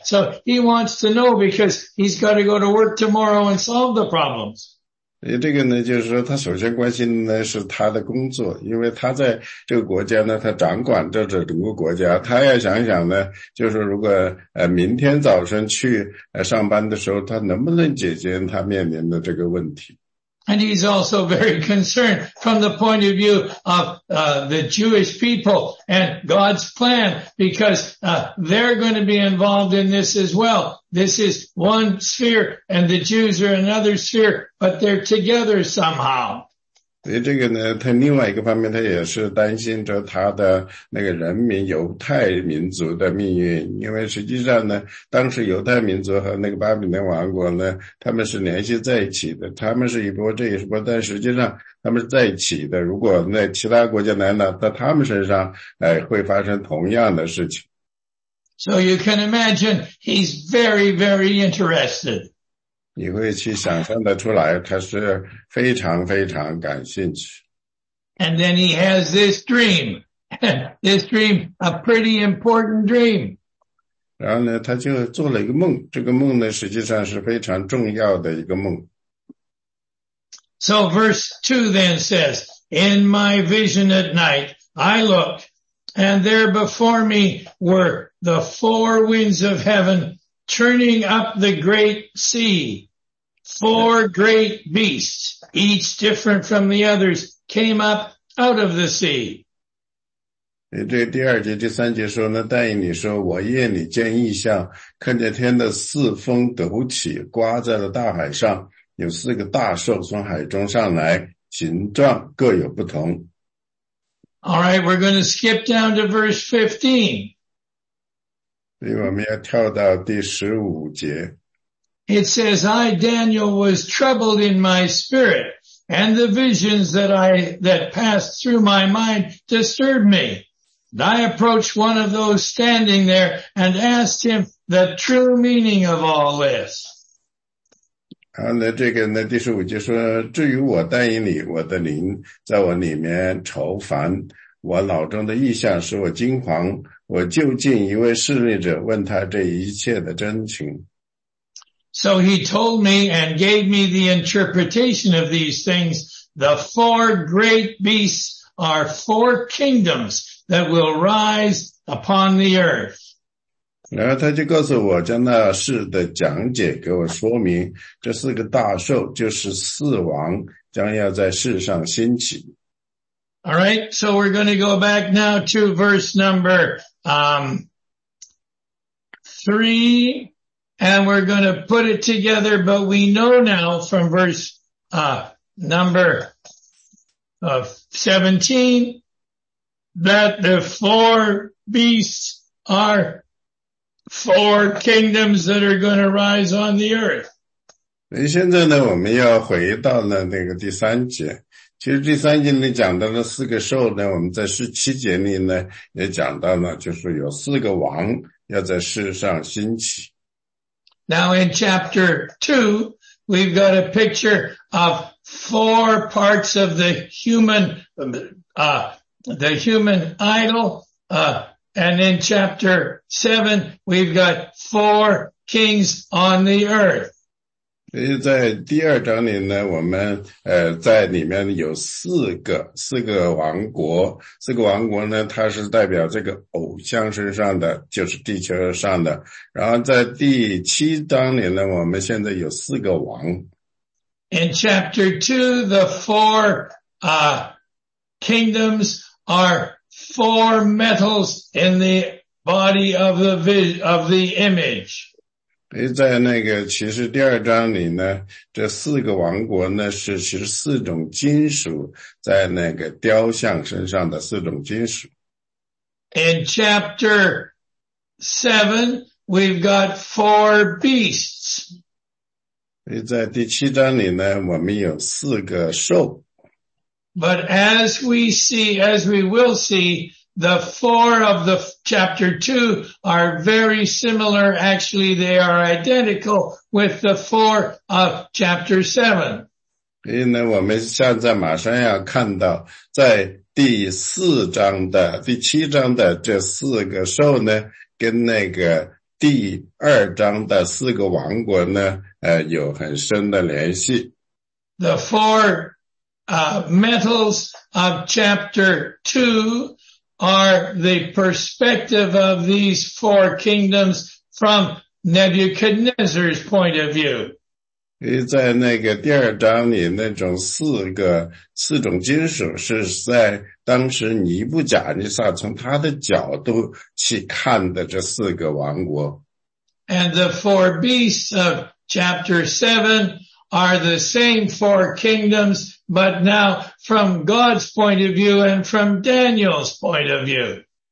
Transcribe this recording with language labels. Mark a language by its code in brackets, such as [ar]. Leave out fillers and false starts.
[en] So he wants to know because he's got to go to work tomorrow and solve the problems. [zh] 这个呢就是说他首先关心的是他的工作，因为他在这个国家呢他掌管着这整个国家，他要想想呢就是如果明天早晨去上班的时候他能不能解决他面临的这个问题。 [en] And he's also very concerned from the point of view of the Jewish people and God's plan, because they're going to be involved in this as well. This is one sphere and the Jews are another sphere, but they're together somehow. [zh] 这个呢，他另外一个方面，他也是担心着他的那个人民犹太民族的命运，因为实际上呢，当时犹太民族和那个巴比伦王国呢，他们是联系在一起的，他们是一波，这也是一波，但实际上他们是在一起的。如果那其他国家来了，在他们身上，会发生同样的事情。 [en] So you can imagine he's very, very interested. [zh] 你会去想象得出来，他是非常非常感兴趣。 [en] And then he has this dream. This dream, a pretty important dream. [zh] 然后呢，他就做了一个梦，这个梦呢，实际上是非常重要的一个梦。 [en] So verse 2 then says, In my vision at night, I looked, and there before me were the four winds of heaven churning up the great sea. Four great beasts, each different from the others, came up out of the sea. [zh] 这第二节第三节说呢，但以理说，我夜里见异象，看见天的四风抖起，刮在了大海上，有四个大兽从海中上来，形状各有不同。 [en] All right, we're going to skip down to verse 15. [zh] 所以我们要跳到第十五节。 [en] It says, I, Daniel, was troubled in my spirit, and the visions that passed through my mind disturbed me. And I approached one of those standing there and asked him the true meaning of all this. [zh] 那第十五节说，至于我但以理，我的灵在我里面愁烦，我脑中的意象使我惊惶，我就近一位侍立者，问他这一切的真情。 [en] So he told me and gave me the interpretation of these things. The four great beasts are four kingdoms that will rise upon the earth. [zh] 然后他就告诉我，将那事的讲解给我说明，这四个大兽就是四王，将要在世上兴起。 [en] All right, so we're going to go back now to verse number, three. And we're going to put it together, but we know now from verse, number of 17 that the four beasts are four kingdoms that are going to rise on the earth. [zh] 现在呢我们要回到了那个第三节。其实第三节里讲到了四个兽呢，我们在十七节里呢也讲到了，就是有四个王要在世上兴起。 [en] Now in chapter 2, we've got a picture of four parts of the human idol. And in chapter 7, we've got four kings on the earth. [zh] 在第二章里呢，我们在里面有四个王国。四个王国呢，它是代表这个偶像身上的，就是地球上的。然后在第七章里呢，我们现在有四个王。 [en] In chapter 2, the four, kingdoms are four metals in the body of the image. [zh] 在那个其实第二章里呢，这四个王国呢是其实四种金属在那个雕像身上的四种金属。 [en] In chapter 7, we've got four beasts. [zh] 在第七章里呢，我们有四个兽。 [en] But as we see, as we will see,The four of the chapter 2 are very similar. Actually, they are identical with the four of chapter 7. [zh] 所以呢，我们现在马上要看到，在第四章的、第七章的这四个兽呢，跟那个第二章的四个王国呢，有很深的联系。 [en] The four, metals of chapter 2are the perspective of these four kingdoms from Nebuchadnezzar's point of view. [zh] 在那个第二章里那种四种金属是在当时尼布甲尼撒从他的角度去看的这四个王国。 [en] And the four beasts of chapter 7 are the same four kingdoms, but now from God's point of view and from Daniel's point of view.